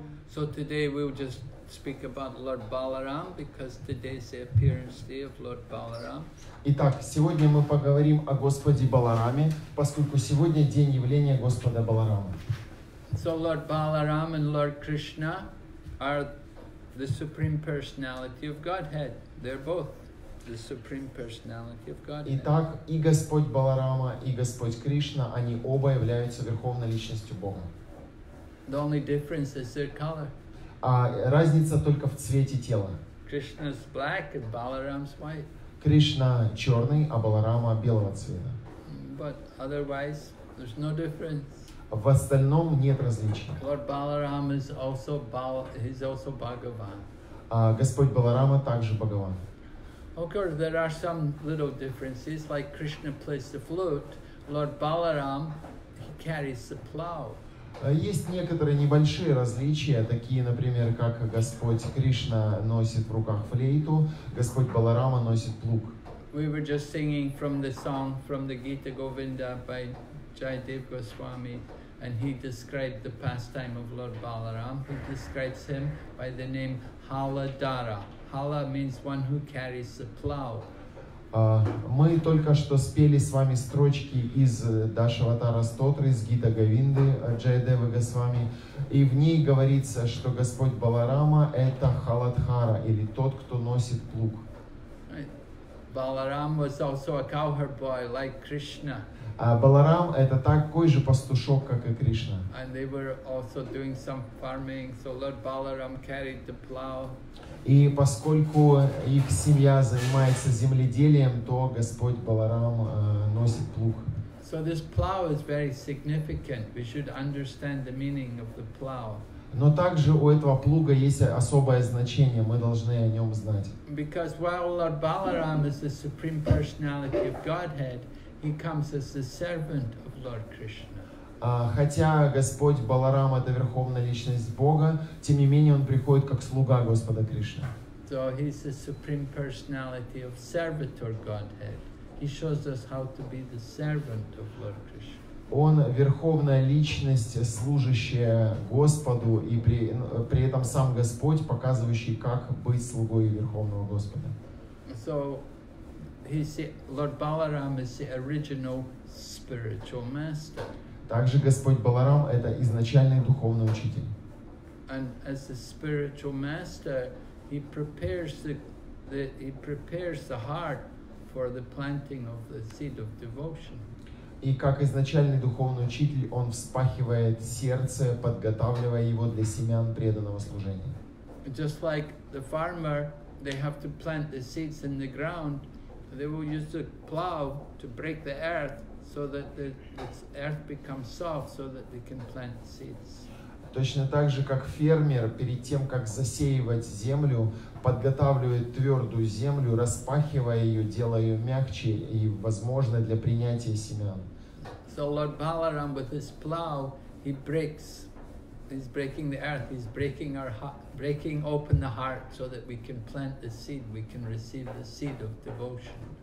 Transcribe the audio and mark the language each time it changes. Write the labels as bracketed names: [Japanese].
[English] So today we'll just speak about Lord Balaram because today is the appearance day of Lord Balaram. [Russian] Итак, сегодня мы поговорим о Господе Балараме, поскольку сегодня день явления Господа Баларама. [English] So Lord Balaram and Lord Krishna are the supreme personality of Godhead. They're both the supreme personality of Godhead. [Russian] Итак, и Господь Баларама, и Господь Кришна, они оба являются верховной личностью Бога. [English] The only difference is their color. [Russian] А разница только в цвете тела. [English] Krishna's black and Balaram's white. [Russian] Кришна черный, а Баларама белого цвета. [English] But otherwise, there's no difference. [Russian] В остальном нет различий. [English] Lord Balaram is also he's also Bhagavan. [Russian] А Господь Баларама также Бхагаван. [English] Okay, there are some little differences. Like Krishna plays the flute, Lord Balaram he carries the plow. [Russian] Есть некоторые небольшие различия, такие, например, как Господь Кришна носит в руках флейту, Господь Баларама носит плуг. [English] We were just singing from the song from the Gita Govinda by Jayadev Goswami, and he described the pastime of Lord Balaram. He describes him by the name Haladara. Hala means one who carries the plow. [Russian] Мы только что спели с вами строчки из Дашаватара Стотры, из Гита Говинды Джайдевы Госвами. И в ней говорится, что Господь Баларама – это Халадхара, или тот, кто носит плуг. [English] Баларам was also a cowherd boy, like Krishna. [Russian] Баларам – это такой же пастушок, как и Кришна. [English] And they were also doing some farming, so Lord Balaram carried the plow. [Russian] И поскольку их семья занимается земледелием, то Господь Баларам носит плуг. [English] So this plow is very significant. We should understand the meaning of the plow. [Russian] Но также у этого плуга есть особое значение. Мы должны о нем знать. [English] Because while Lord Balaram is the supreme personality of Godhead, he comes as the servant of Lord Krishna. [Russian] Хотя Господь Баларам это верховная личность Бога, тем не менее он приходит как слуга Господа Кришны. [English] So he's the supreme personality of servitor Godhead. He shows us how to be the servant of Lord Krishna. [Russian] Он верховная личность, служащая Господу, и при этом сам Господь, показывающий, как быть слугой Верховного Господа. [English] So, he said, Lord Balaram is the original spiritual master. [Russian] Также Господь Баларам — это изначальный духовный учитель. [English] And as the spiritual master, he prepares the heart for the planting of the seed of devotion. [Russian] И как изначальный духовный учитель, он вспахивает сердце, подготавливая его для семян преданного служения. [English] Just like the farmer, they have to plant the seeds in the ground. They will use the plow to break the earth so that the earth becomes soft so that they can plant seeds. [Russian] Точно так же, как фермер перед тем, как засеивать землю, подготавливает твердую землю, распахивая ее, делая ее мягче и возможной для принятия семян. [English] So Lord Balaram with his plow, he breaks, he's breaking the earth, he's breaking our heart, breaking open the heart so that we can plant the seed, we can receive the seed of devotion.